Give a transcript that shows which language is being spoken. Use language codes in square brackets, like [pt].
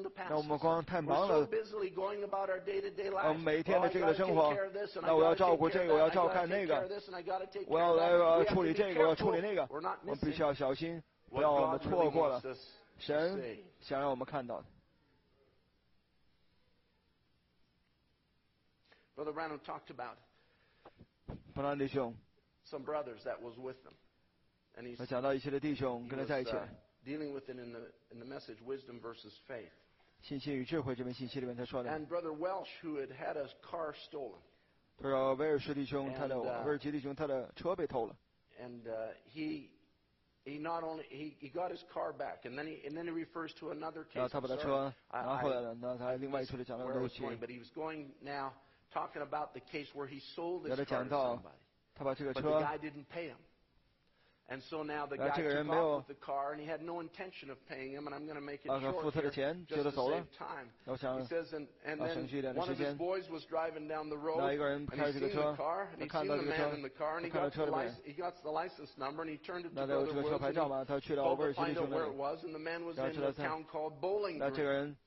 [zh] 那我们光太忙了，我们每一天的这个生活，那我要照顾这个，我要照看那个，我要来处理这个，我要处理那个，我们必须要小心，不要我们错过了神想让我们看到的。 [en] Brother Branham talked about. [zh] 布兰尼兄。 [en] Some brothers that was with them. [zh] 他讲到一些的弟兄跟他在一起。 [en] Dealing with it in the message, wisdom versus faith. [zh] 信心与智慧这篇信息里面他说的。 [en] And brother Welsh, who had had a car stolen. [zh] 他说威尔士弟兄，他的威尔吉弟兄，他的车被偷了。 [en] And he not only he got his car back, and then he refers to another case. [zh] 然后他把他车拿回来了，那他另外一处就讲了东西。 [en] But he was going now talking about the case where he sold his car. [zh] 然后讲到他把这个车。 [en] But the guy didn't pay him. And so now the guy took off with the car, and he had no intention of paying him. And I'm going to make it short here, just to save time. He says, and then one of his boys was driving down the road, and he's seen the car, and he's seen the man in the car, and he got the license number, and he turned it to the Woods, and he told him to find out where it was, and the man was in a town called Bowling Green.